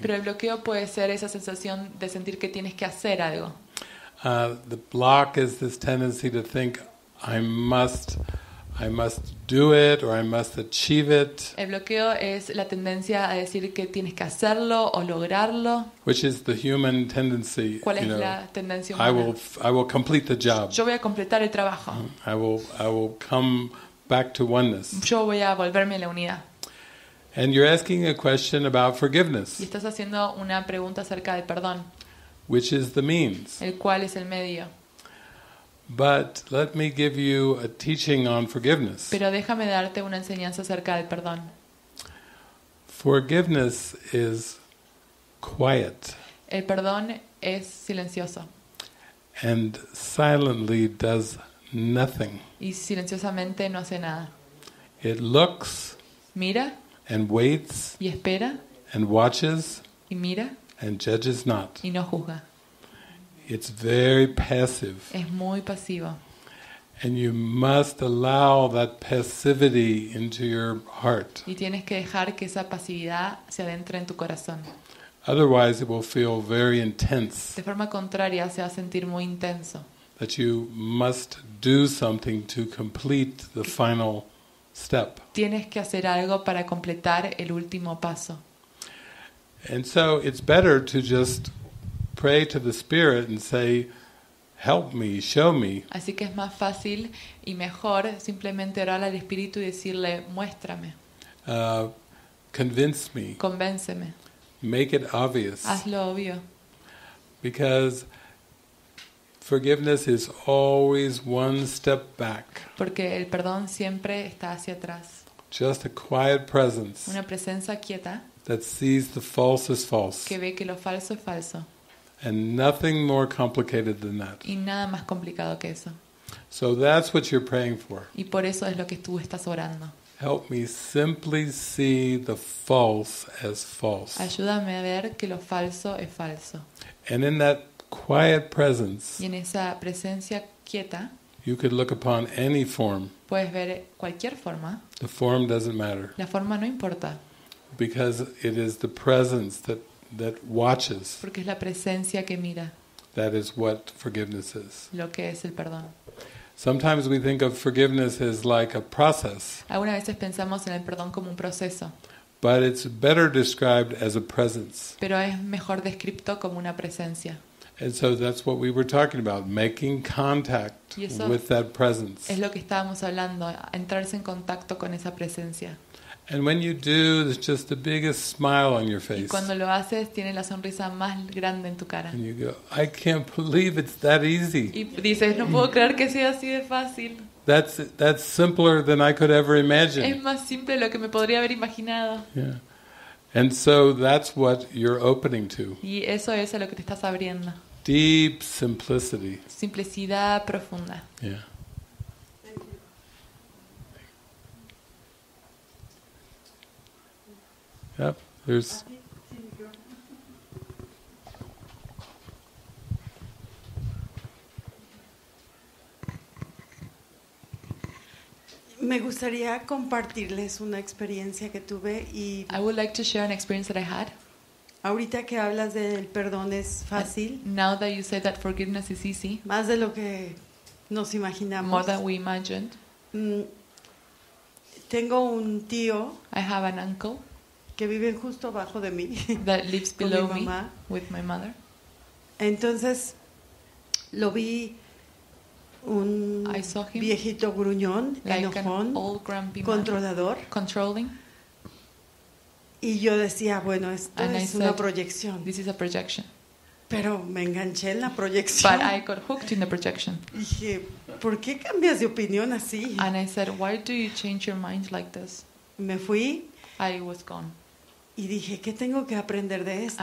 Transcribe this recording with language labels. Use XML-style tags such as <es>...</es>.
<es>Pero el bloqueo puede ser esa sensación de sentir que tienes que hacer algo.</es> <en>The block is this tendency to think I must do it or I must achieve it.</en> <es>El bloqueo es la tendencia a decir que tienes que hacerlo o lograrlo.</es> <en>Which is the human tendency.</en> <es>¿Cuál es la tendencia humana?</es> <en>I will complete the job.</en> <es>Yo voy a completar el trabajo.</es> <en>I will come back to oneness.</en> <es>Yo voy a volverme a la unidad.</es> <en>And you're asking a question about forgiveness.</en> <es>Y estás haciendo una pregunta acerca del perdón.</es> <en>Which is the means.</en> <es>El cual es el medio.</es> <en>But let me give you a teaching on forgiveness.</en> <es>Pero déjame darte una enseñanza acerca del perdón.</es> <en>Forgiveness is quiet.</en> <es>El perdón es silencioso.</es> <en>And silently does nothing.</en> <es>Y silenciosamente no hace nada.</es> <en>It looks.</en> <es>Mira.</es> <en>And waits.</en> <es>Y espera.</es> <en>And watches.</en> <es>Y mira.</es> <en>And judges not.</en> <es>Y no juzga.</es> <en>It's very passive.</en> <es>Es muy pasivo.</es> <en>And you must allow that passivity into your heart.</en> <es>Y tienes que dejar que esa pasividad se adentre en tu corazón.</es> <en>Otherwise it will feel very intense.</en> <es>De forma contraria se va a sentir muy intenso.</es> <en>That you must do something to complete the final step.</en> <es>Tienes que hacer algo para completar el último paso.</es> <en>And so it's better to just pray to the spirit and say,</en> <es>"Help me, show me." Así que es más fácil y mejor simplemente orar al espíritu y decirle, "Muéstrame."</es> <en>Convince me.</en> <es>Convénceme.</es> <en>Make it obvious.</en> <es>Hazlo obvio.</es> <en>Because forgiveness is always one step back.</en> <es>Porque el perdón siempre está hacia atrás.</es> <en>Just a quiet presence.</en> <es>Una presencia quieta.</es> <en>That sees the false as false.</en> <es>Que ve que lo falso es falso.</es> <en>And nothing more complicated than that.</en> <es>Y nada más complicado que eso.</es> <en>So that's what you're praying for.</en> <es>Y por eso es lo que tú estás orando.</es> <en>Help me simply see the false as false.</en> <es>Ayúdame a ver que lo falso es falso.</es> <en>And in that quiet presence.</en> <es>Y en esa presencia quieta.</es> <en>You could look upon any form.</en> <es>Puedes ver cualquier forma.</es> <en>The form doesn't matter.</en> <es>La forma no importa.</es> <en>Because it is the presence that watches.</en> <es>Porque es la presencia que mira.</es> <en>That is what forgiveness is.</en> <es>Lo que es el perdón.</es> <en>Sometimes we think of forgiveness as like a process.</en> <es>Algunas veces pensamos en el perdón como un proceso.</es> <en>But it's better described as a presence.</en> <es>Pero es mejor descrito como una presencia.</es> <en>And so that's what we were talking about, making contact with that presence.</en> <es>Es lo que estábamos hablando, entrarse en contacto con esa presencia.</es> <en>And when you do, there's just the biggest smile on your face.</en> <es>Y cuando lo haces, tiene la sonrisa más grande en tu cara.</es> <en>And you go, I can't believe it's that easy.</en> <es>Y dices, no puedo creer que sea así de fácil.</es> <en>That's simpler than I could ever imagine.</en> <es>Es más simple de lo que me podría haber imaginado.</es> <en>Yeah. And so that's what you're opening to.</en> <es>Y eso es a lo que te estás abriendo.</es> <en>Deep simplicity.</en> <es>Simplicidad profunda.</es> <en>Yeah. Yep, there's...</en> <es>Me gustaría compartirles una experiencia que tuve y</es> <en>I would like to share an experience that I had.</en> <es>Ahorita que hablas del perdón es fácil.</es> <en>Now that you say that forgiveness is easy.</en> <es>Más de lo que nos imaginamos.</es> <en>More than we imagined.</en> <es>Tengo un tío.</es> <en>I have an uncle.</en> <es>Que vive justo abajo de mí.</es> <en>That lives below me with my mother.</en> <es>Entonces lo vi un viejito gruñón, enojón, controlador.</es> <en>Controlling.</en> <es>Y yo decía, bueno, esto</es> <en>and</en> <es>es</es> <en>I</en> <es>una</es> <en>said,</en> <es>proyección.</es> <en>This is a projection.</en> <es>Pero me enganché en la proyección.</es> <en>But I got hooked in the projection.</en> <es>Y dije, ¿por qué cambias de opinión así?</es> <en>And I said, why do you change your mind like this?</en> <es>Me fui.</es> <en>I was gone.</en> <es>Y dije, ¿qué tengo que aprender de esto?</es>